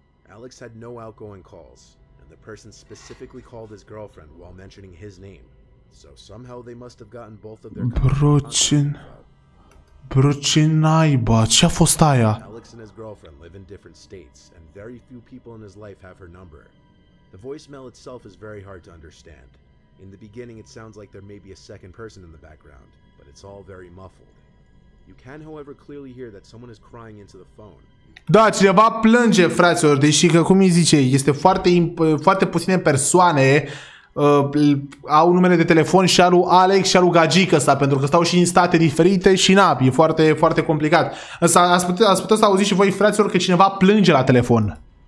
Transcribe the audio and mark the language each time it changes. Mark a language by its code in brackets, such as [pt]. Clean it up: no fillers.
[en] Alex had no outgoing calls, and the person specifically called his girlfriend while mentioning his name. So somehow they must have gotten both of their [ro] Bro, ce naiba, ce-a fost aia? [en] Alex and his girlfriend live in different states, and very few people in his life have her number. The voicemail itself is very hard to understand. In the beginning, it sounds like there may be a second person in the background, but it's all very muffled. You can, however, clearly hear that someone is crying into the phone. [ro] Da, cineva plânge, fraților, deși că, cum îi zice, este foarte, foarte puține persoane au numele de telefon și alu Alex și alu Gagic ăsta, pentru că stau și în state diferite și na, e foarte, foarte complicat. Însă ați putea să auziți și voi, fraților, că cineva plânge la telefon.